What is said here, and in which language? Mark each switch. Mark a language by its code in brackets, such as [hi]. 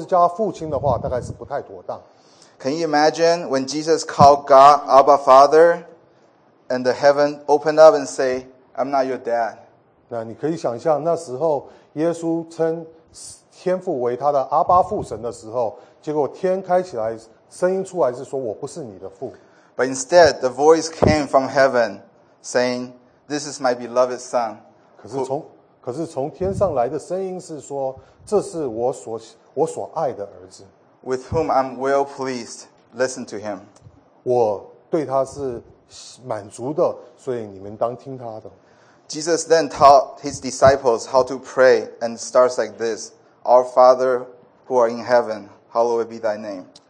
[zh] 你可能可以称他为一个朋友，你可能可以叫他叔叔或者伯父，可是你大概叫他，若是叫他父亲的话，大概是不太妥当。 [en] Can you imagine when Jesus called God Abba Father, and the heaven opened up and say, I'm not your dad? [zh] 那你可以想象那时候耶稣称天父为他的阿爸父神的时候，结果天开起来。 [en] But instead, the voice came from heaven saying, This is my beloved son. [zh] 可是从天上来的声音是说，这是我所爱的儿子。 [en] With whom I'm well pleased, listen to him. [zh] 我对他是满足的，所以你们当听他的。 [en] Jesus then taught his disciples how to pray and starts like this, Our Father who are in heaven, hallowed be thy name.